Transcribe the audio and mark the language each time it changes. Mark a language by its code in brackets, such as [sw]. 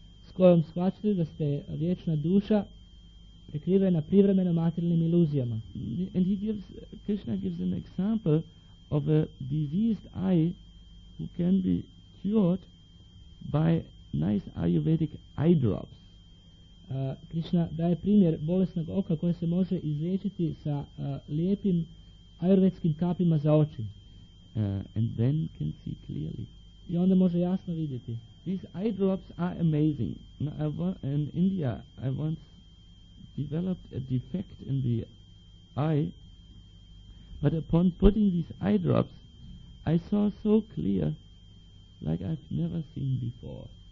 [hr] S kojom shvaćate da ste vječna duša prekrivena privremeno materijalnim iluzijama. [en] And Krishna gives an example of a diseased eye who can be cured by nice Ayurvedic eye drops. [hr] Krishna daje primjer bolesnog oka koje se može izliječiti sa lijepim ayurvedskim kapima za oči. [en] And then can see clearly. [hr] I onda može jasno vidjeti. [en] These eye drops are amazing. In India, I once developed a defect in the eye, but upon putting these eye drops, I saw so clear, like I've never seen before.